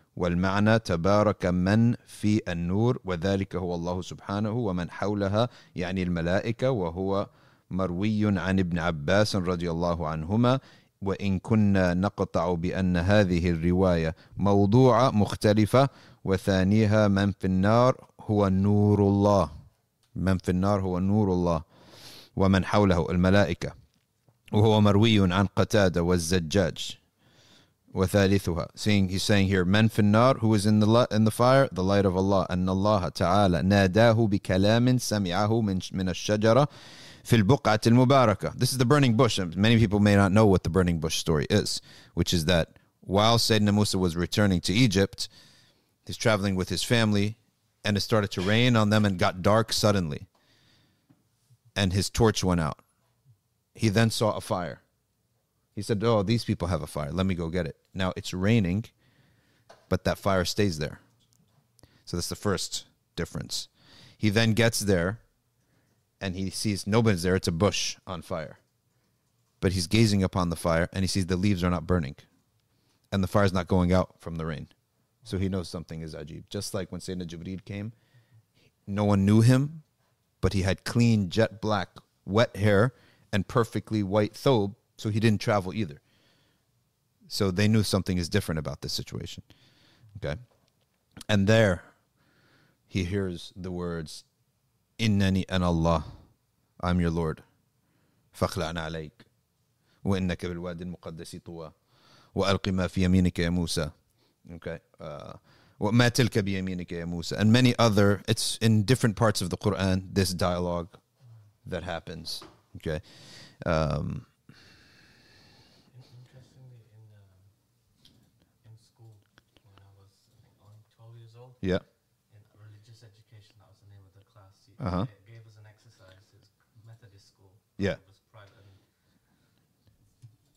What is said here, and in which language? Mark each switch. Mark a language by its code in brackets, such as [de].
[ar] والمعنى تبارك من في النور وذلك هو الله سبحانه ومن حولها يعني الملائكة وهو مروي عن ابن عباس رضي الله عنهما وإن كنا نقطع بأن هذه الرواية موضوعة مختلفة وثانيها من في النار هو نور الله من في النار هو نور الله ومن حوله الملائكة وهو مروي عن قتادة والزجاج وثالثها [en] he's saying here [ar] من في النار [en] who is in the fire the light of Allah [ar] أن الله تعالى ناداه بكلام سمعه من الشجرة في البقعة المباركة. [en] This is the burning bush. Many people may not know what the burning bush story is, which is that while Sayyidina Musa was returning to Egypt, he's traveling with his family, and it started to rain on them and got dark suddenly. And his torch went out. He then saw a fire. He said, oh, these people have a fire. Let me go get it. Now it's raining, but that fire stays there. So that's the first difference. He then gets there, and he sees nobody's there. It's a bush on fire. But he's gazing upon the fire, and he sees the leaves are not burning. And the fire's not going out from the rain. So he knows something is ajib. Just like when Sayyidina Jibreel came, no one knew him, but he had clean, jet black, wet hair, and perfectly white thobe, so he didn't travel either. So they knew something is different about this situation. Okay? And there, he hears the words, [ar] إِنَّنِي أَنَ اللَّهِ [en] I'm your Lord. [ar] فَخْلَعْنَا عَلَيْكَ وَإِنَّكَ بِالْوَادِ الْمُقَدَّسِ طُوَى وَأَلْقِ مَا فِي يَمِينِكَ يَا مُوسَى وَمَا تِلْكَ بِيَمِينِكَ يَا مُوسَى [en] And many other, it's in different parts of the Quran, this dialogue that happens. Okay. Interestingly, in school, when I was, I think, only 12 years old, yeah, in religious education, that was the name of the class, uh-huh, it gave us an exercise, it's Methodist school. Yeah. It was private. And